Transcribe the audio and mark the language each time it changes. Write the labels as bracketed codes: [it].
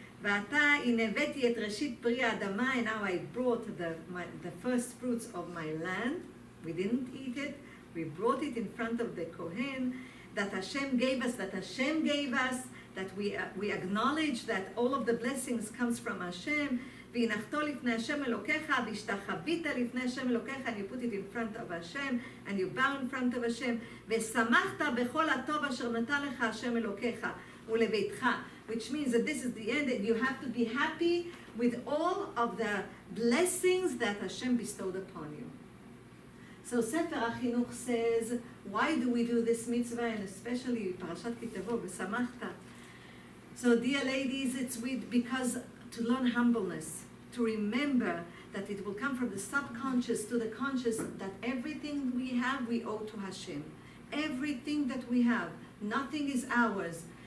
[he] Vata inaveti et reshit pri adama, [en] and now I brought the first fruits of my land. We didn't eat it. We brought it in front of the Kohen, that Hashem gave us, that we acknowledge that all of the blessings comes from Hashem. [he] והנחתו לפני השם אלוקיך, והשתחבית לפני השם אלוקיך, [en] and you put it in front of Hashem, [he] and you bow in front of Hashem, ושמחת בכל הטוב אשר נתן לך השם אלוקיך, ולביתך. [en] Which means that this is the end, and you have to be happy with all of the blessings that Hashem bestowed upon you. So Sefer HaChinuch says, why do we do this mitzvah, and especially Parashat Ki Tavo, ושמחת. So dear ladies, it's because to learn humbleness, to remember that it will come from the subconscious to the conscious, that everything we have, we owe to Hashem. Everything that we have, nothing is ours.